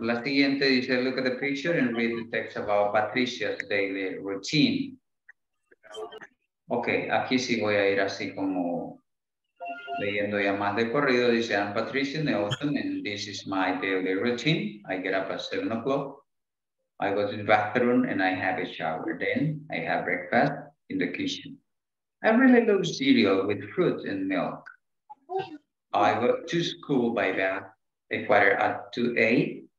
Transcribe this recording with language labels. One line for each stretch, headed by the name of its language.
Spanish: La siguiente dice,
English: look at the picture and read the text about Patricia's daily routine.
Spanish: Okay, aquí sí voy a ir así como leyendo ya más de corrido. Dice,
English: I'm Patricia Nelson and this is my daily routine. I get up at 7 o'clock. I go to the bathroom and I have a shower. Then I have breakfast in the kitchen. I really love cereal with fruit and milk. I go to school by bath. Require at 2:08.